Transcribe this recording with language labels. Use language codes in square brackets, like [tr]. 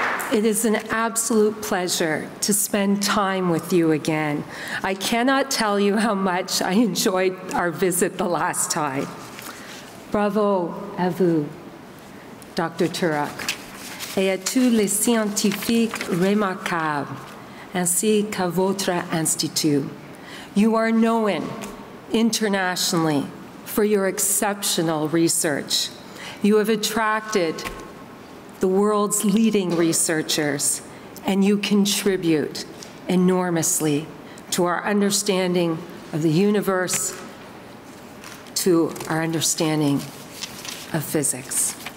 [en] It is an absolute pleasure to spend time with you again. I cannot tell you how much I enjoyed our visit the last time. [fr] Bravo à vous, Dr. Turok, et à tous les scientifiques remarquables, ainsi qu'à votre institut. [en] You are known internationally for your exceptional research. You have attracted the world's leading researchers, and you contribute enormously to our understanding of the universe, to our understanding of physics.